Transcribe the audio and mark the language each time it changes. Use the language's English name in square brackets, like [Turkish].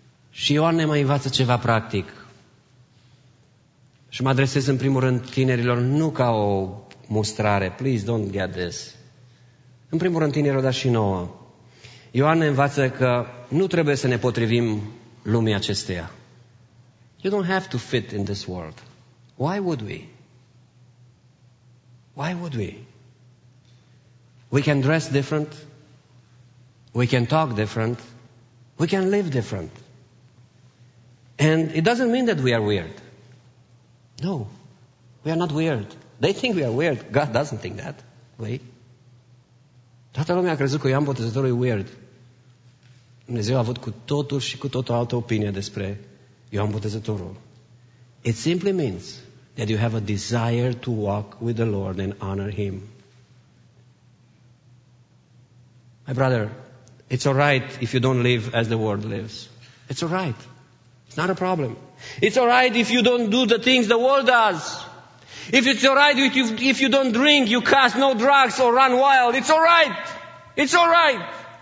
[Romanian] Și Ioan ne mai învață ceva practic. Și mă adresez în primul rând tinerilor, nu ca o mustrare, [English] please don't get this. [Romanian] În primul rând tinerilor, dar și nouă. Ioan ne învață că nu trebuie să ne potrivim lumii acesteia. [English] You don't have to fit in this world. Why would we? Why would we? We can dress different. We can talk different. We can live different. And it doesn't mean that we are weird. No, we are not weird. They think we are weird. God doesn't think that way. [Romanian] Toată lumea a crezut că Ioan Botezătorul e weird. Dumnezeu a avut cu totul și cu totul altă opinie despre Ioan Botezătorul. [English] It simply means that you have a desire to walk with the Lord and honor Him. My brother, it's all right if you don't live as the world lives. It's all right. It's not a problem. It's all right if you don't do the things the world does. If it's all right if you don't drink, you cast no drugs or run wild. It's all right. It's all right.